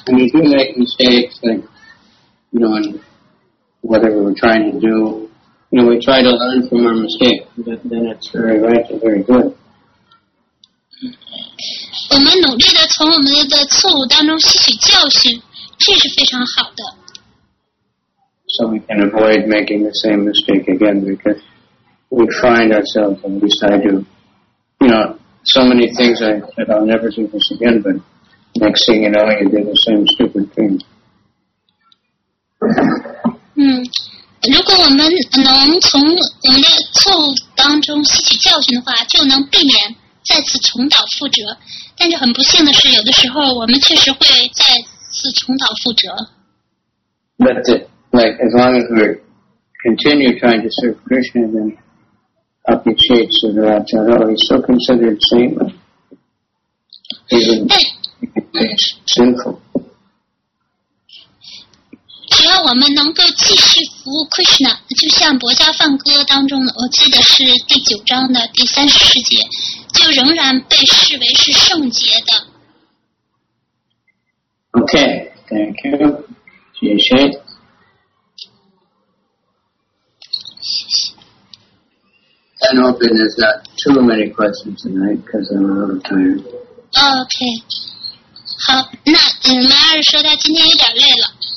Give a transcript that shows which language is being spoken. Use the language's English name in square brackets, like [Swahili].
[English] When you do make mistakes, like, you know, in whatever we're trying to do. You know, we try to learn from our mistake, but then it's very right and very good. [Chinese] 我们努力地从我们的错误当中吸取教训，这是非常好的。 [English] So we can avoid making the same mistake again, because we find ourselves, at least I do, you know, so many things I said I'll never do this again, but next thing you know, you do the same stupid thing. [Chinese] 如果我们能从我们的错误当中吸取教训的话，就能避免再次重蹈覆辙。但是很不幸的是，有的时候我们确实会再次重蹈覆辙。 [English] But the, like as long as we continue trying to serve Krishna, then appreciate Sudarachara, he's still considered saint, even sinful. [Chinese] 只要我们能够继续服务 Krishna， 就像《薄伽梵歌》当中的，我记得是第九章的第三十四节，就仍然被视为是圣洁的。 [English] Okay, thank you. [Chinese] 谢谢。谢谢。 [English] I hope there's not too many questions tonight because I'm a little tired. Okay. [Chinese] 好，那马二说他今天有点累了。